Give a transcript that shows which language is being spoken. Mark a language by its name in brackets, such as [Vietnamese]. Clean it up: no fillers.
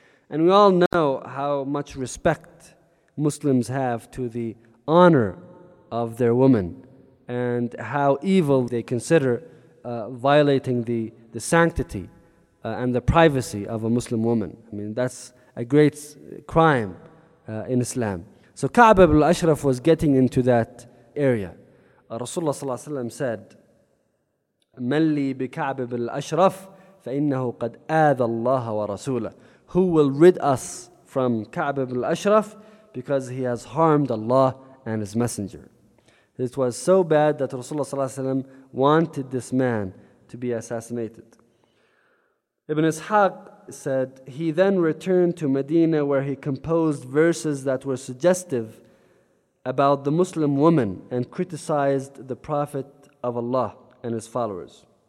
[English] And we all know how much respect Muslims have to the honor of their women, and how evil they consider violating the sanctity and the privacy of a Muslim woman. I mean, that's a great crime in Islam. So Ka'b ibn al-Ashraf was getting into that area. Rasulullah sallallahu alayhi wa sallam said, [Arabic] مَنْ لِي بِكَعْبِ بِالْأَشْرَفِ فَإِنَّهُ قَدْ آذَى اللَّهَ وَرَسُولَهُ. [English] Who will rid us from Ka'b ibn al-Ashraf? Because he has harmed Allah and his messenger. It was so bad that Rasulullah sallallahu alayhi wa sallam wanted this man to be assassinated. Ibn Ishaq said, he then returned to Medina where he composed verses that were suggestive about the Muslim woman and criticized the Prophet of Allah and his followers.